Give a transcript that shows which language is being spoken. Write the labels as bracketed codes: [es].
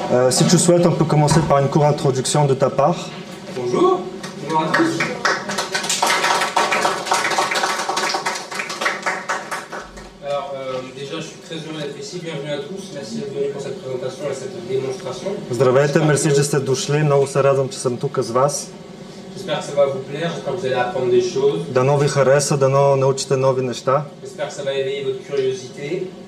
[fr] Si tu souhaites, on peut commencer par une courte introduction de ta part. Bonjour. Bonjour à tous. Alors, déjà, je suis très heureux d'être ici. Bienvenue à tous. Merci d'être venu pour cette présentation et cette démonstration. [bg] Здравейте, [fr] merci que [bg] сте дошли. Много се радвам, че съм тук с вас. [fr] J'espère que ça va vous plaire. J'espère que vous allez apprendre des choses. [bg] Дано ви хареса, дано научите нови неща. [fr] J'espère que ça va éveiller votre curiosité.